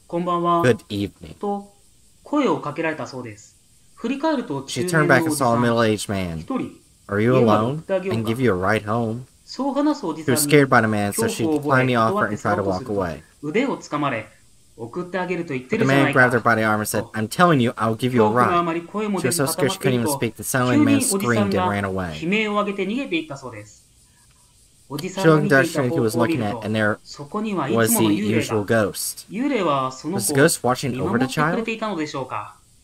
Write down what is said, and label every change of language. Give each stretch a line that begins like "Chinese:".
Japanese: こんばんは、と声をかけられたそうです。振り返ると中年のおじさん、一人、家を送ってあげようか。そう話すおじさんに恐怖を覚え、断って去ろうとすると、腕を掴まれ、送ってあげると言ってるじゃないか。
English: The man grabbed her by the arm and said, I'm telling you, I'll give you a ride.
Japanese: 恐怖があまり声も出ず固まっていると、急におじさんが悲鳴を上げて逃げていったそうです。おじさんが見ていた方を見ると、そこにはいつもの幽霊が。幽霊はその子を見守ってくれていたのでしょうか。